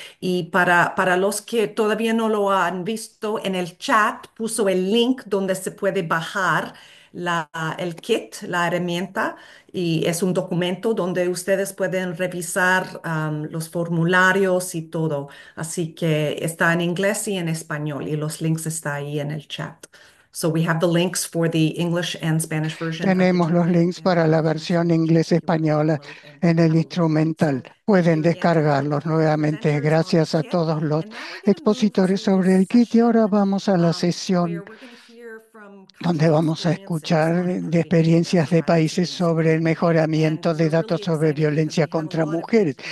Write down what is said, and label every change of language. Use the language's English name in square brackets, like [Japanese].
[Spanish] Y para los que todavía no lo han visto, en el chat puso el link donde se puede bajar el kit, la herramienta, y es un documento donde ustedes pueden revisar los formularios y todo. Así que está en inglés y en español, y los links están ahí en el chat. [English] So we have the links for the English and Spanish version. [Spanish] Tenemos los links para la versión inglés-española en el instrumental. Pueden descargarlos nuevamente. Gracias a todos los expositores sobre el kit. Y ahora vamos a la sesión donde vamos a escuchar de experiencias de países sobre el mejoramiento de datos sobre violencia contra mujeres.